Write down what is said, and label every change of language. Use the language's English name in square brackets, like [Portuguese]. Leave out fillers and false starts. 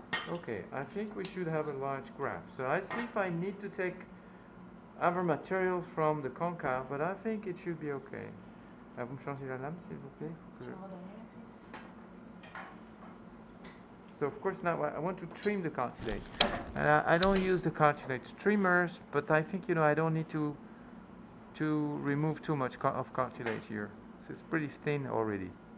[English] Okay, I think we should have a large graft. So I see if I need to take other material from the concave, but I think it should be okay. [French] Avez-vous changé la lame, s'il vous plaît? [English] So of course now I want to trim the cartilage. I don't use the cartilage trimmers, but I think, you know, I don't need to remove too much of cartilage here. So it's pretty thin already.